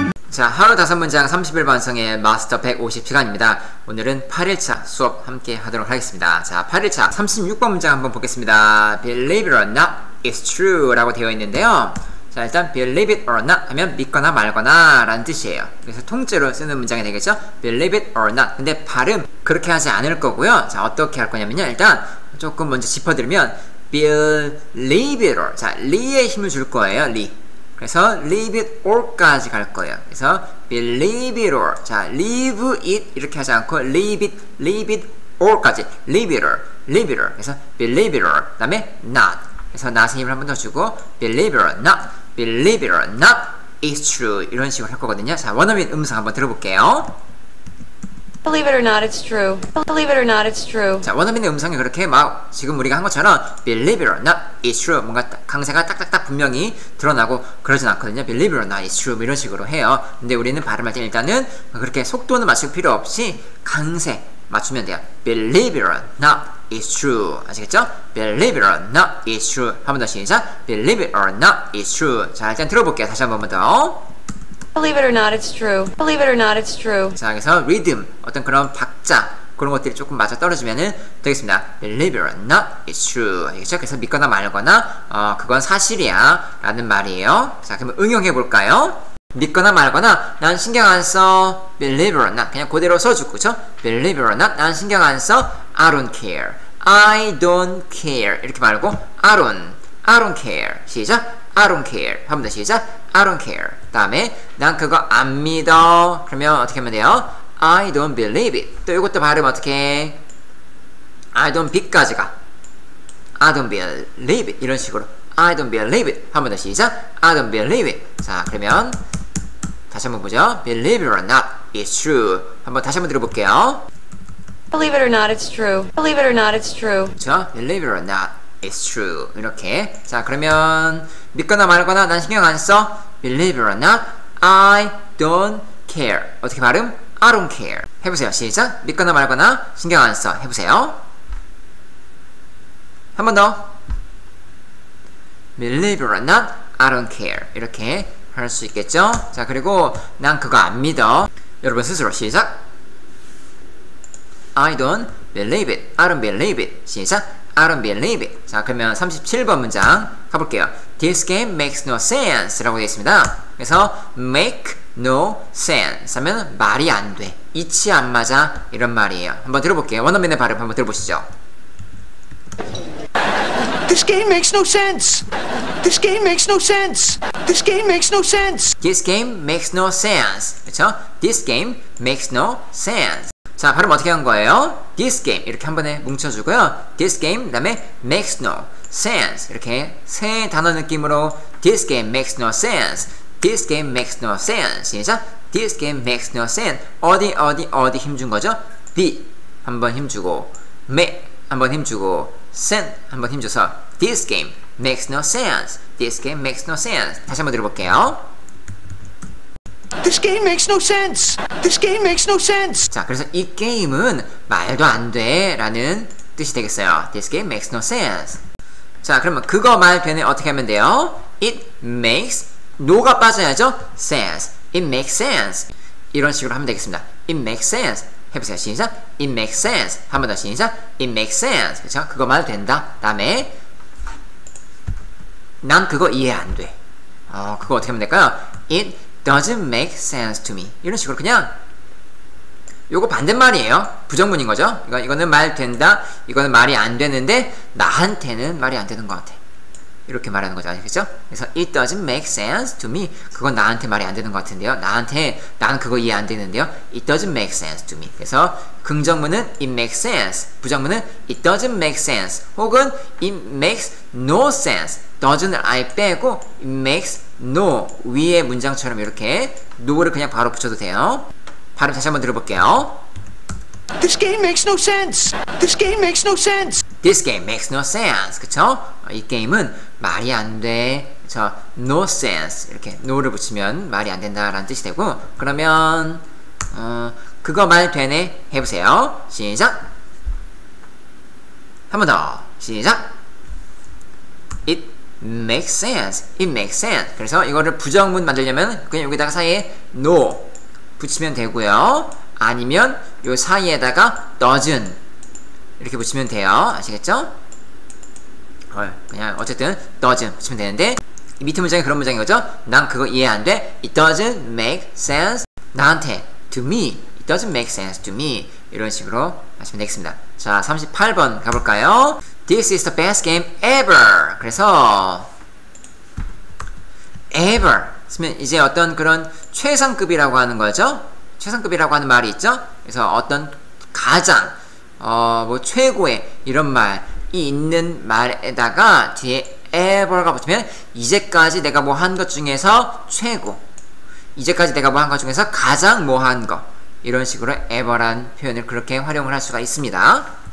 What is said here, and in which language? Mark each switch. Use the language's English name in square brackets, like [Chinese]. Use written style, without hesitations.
[Korean] 자, 하루 다섯 문장 30일 반성의 마스터 150시간입니다. 오늘은 8일차 수업 함께 하도록 하겠습니다. 자, 8일차 36번 문장 한번 보겠습니다. [English] Believe it or not, it's true [Korean] 라고 되어 있는데요. 자, 일단 [English] Believe it or not [Korean] 하면 믿거나 말거나 라는 뜻이에요. 그래서 통째로 쓰는 문장이 되겠죠? [English] Believe it or not. [Korean] 근데 발음 그렇게 하지 않을 거고요. 자, 어떻게 할 거냐면요. 일단 조금 먼저 짚어드리면 [English] Believe it or, [Korean] 자, 리에 힘을 줄 거예요. 리. 그래서 [English] leave it or [Korean] 까지 갈 거예요. [English] 그래서 believe it or, 자, leave it [Korean] 이렇게 하지 않고 [English] leave it or 까지 leave it or, leave it or. 그래서 believe it or, 그 다음에 not. 그래서 not 힘을 한 번 더 주고 believe it or not, believe it or not is true [Korean] 이런 식으로 할 거거든요. 자, 원어민 음성 한번 들어볼게요. [English] Believe it or not, it's true. Believe it or not, it's true. [Korean] 자, 원어민의 음성이 그렇게 막 지금 우리가 한 것처럼 [English] Believe it or not, it's true. [Korean] 뭔가 강세가 딱딱딱 분명히 드러나고 그러진 않거든요. [English] Believe it or not, it's true. [Korean] 이런 식으로 해요. 근데 우리는 발음할 때 일단은 그렇게 속도는 맞출 필요 없이 강세 맞추면 돼요. [English] Believe it or not, it's true. [Korean] 아시겠죠? [English] Believe it or not, it's true. [Korean] 한 번 더 시작. [English] Believe it or not, it's true. [Korean] 자, 일단 들어볼게요. 다시 한 번 더. [English] Believe it or not, it's true. Believe it or not, it's true. [Korean] 자, 그래서 리듬, 어떤 그런 박자, 그런 것들이 조금 맞아 떨어지면은 되겠습니다. [English] Believe it or not, it's true. [Korean] 알겠죠? 그래서 믿거나 말거나, 그건 사실이야 라는 말이에요. 자, 그럼 응용해 볼까요? 믿거나 말거나, 난 신경 안 써. [English] Believe it or not. [Korean] 그냥 그대로 써주고, 그쵸? [English] Believe it or not, [Korean] 난 신경 안 써. [English] I don't care. I don't care. 이렇게 말고, I don't care. [Korean] 시작. [English] I don't care. [Korean] 한 번 더 시작. I don't care. 다음에 난 그거 안 믿어. 그러면 어떻게 하면 돼요? [English] I don't believe it. [Korean] 또 이것도 발음 어떻게 해? [English] I don't be 까지가 I don't believe it. [Korean] 이런 식으로 [English] I don't believe it. [Korean] 한 번 더 시작. [English] I don't believe it. [Korean] 자, 그러면 다시 한번 보죠. [English] Believe it or not, it's true. [Korean] 한번 다시 한번 들어볼게요. [English] Believe it or not, it's true. Believe it or not, it's true. [Korean] 그쵸? [English] Believe it or not, it's true. [Korean] 이렇게. 자, 그러면 믿거나 말거나 난 신경 안 써. [English] Believe it or not, I don't care. [Korean] 어떻게 발음? [English] I don't care. [Korean] 해보세요. 시작. 믿거나 말거나 신경 안 써. 해보세요. 한 번 더. [English] Believe it or not, I don't care. [Korean] 이렇게 할 수 있겠죠? 자, 그리고 난 그거 안 믿어. 여러분 스스로 시작. [English] I don't believe it. I don't believe it. 시작. I don't believe it. [Korean] 자, 그러면 37번 문장 가볼게요. [English] This game makes no sense [Korean] 라고 되어 있습니다. 그래서 [English] make no sense [Korean] 하면 말이 안 돼, 이치 안 맞아 이런 말이에요. 한번 들어볼게요. 원어민의 발음 한번 들어보시죠. [English] This game makes no sense. This game makes no sense. This game makes no sense. This game makes no sense. [Korean] 그렇죠? [English] This game makes no sense. [Korean] 자, 발음 어떻게 한 거예요? [English] This game [Korean] 이렇게 한 번에 뭉쳐주고요. [English] This game 그 다음에 makes no sense [Korean] 이렇게 세 단어 느낌으로 [English] This game makes no sense. This game makes no sense. [Korean] 시작. [English] This game makes no sense. [Korean] 어디 힘준 거죠? [English] The [Korean] 한번 힘주고 [English] me 한번 힘주고 sense 한번 힘줘서 This game makes no sense. This game makes no sense. [Korean] 다시 한번 들어볼게요. [English] This game makes no sense. This game makes no sense. [Korean] 자, 그래서 이 게임은 말도 안 돼라는 뜻이 되겠어요. [English] This game makes no sense. [Korean] 자, 그러면 그거 말 되는 어떻게 하면 돼요? [English] It makes no가 빠져야죠. Sense. It makes sense. [Korean] 이런 식으로 하면 되겠습니다. [English] It makes sense. [Korean] 해보세요. 시작. It makes sense. 한 번 더 시작. It makes sense. 그쵸? 그거 말 된다. 다음에 난 그거 이해 안 돼. 그거 어떻게 하면 될까요? [English] It doesn't make sense to me. [Korean] 이런 식으로 그냥 요거 반대말이에요. 부정문인 거죠. 이거는 말 된다. 이거는 말이 안 되는데 나한테는 말이 안 되는 것 같아. 이렇게 말하는 거죠. 아시겠죠? [English] 그래서 it doesn't make sense to me. [Korean] 그건 나한테 말이 안 되는 것 같은데요. 나한테 난 그거 이해 안 되는데요. [English] It doesn't make sense to me. [Korean] 그래서 긍정문은 [English] it makes sense. [Korean] 부정문은 [English] it doesn't make sense. 혹은 it makes no sense. [Korean] doesn't을 아예 빼고 [English] it makes no [Korean] 위에 문장처럼 이렇게 no를 그냥 바로 붙여도 돼요. 발음 다시 한번 들어볼게요. [English] This game makes no sense. This game makes no sense. This game makes no sense. [Korean] 그쵸? 이 게임은 말이 안 돼. 그쵸? [English] No sense. [Korean] 이렇게 no를 붙이면 말이 안 된다라는 뜻이 되고 그러면 그거 말 되네 해보세요. 시작. 한 번 더. 시작. [English] It makes sense. It makes sense. [Korean] 그래서 이거를 부정문 만들려면 그냥 여기다가 사이에 no 붙이면 되고요. 아니면 요 사이에다가 doesn't 이렇게 붙이면 돼요. 아시겠죠? 헐, 그냥 어쨌든 doesn't 붙이면 되는데 이 밑에 문장이 그런 문장인 거죠? 난 그거 이해 안 돼. [English] It doesn't make sense [Korean] 나한테. [English] To me. It doesn't make sense to me. [Korean] 이런 식으로 하시면 되겠습니다. 자, 38번 가볼까요? [English] This is the best game ever. [Korean] 그래서 ever 쓰면 이제 어떤 그런 최상급이라고 하는 거죠? 최상급이라고 하는 말이 있죠? 그래서 어떤 가장 뭐 최고의 이런 말이 있는 말에다가 뒤에 ever가 붙으면 이제까지 내가 뭐 한 것 중에서 최고, 이제까지 내가 뭐 한 것 중에서 가장 뭐 한 것, 이런 식으로 ever란 표현을 그렇게 활용을 할 수가 있습니다.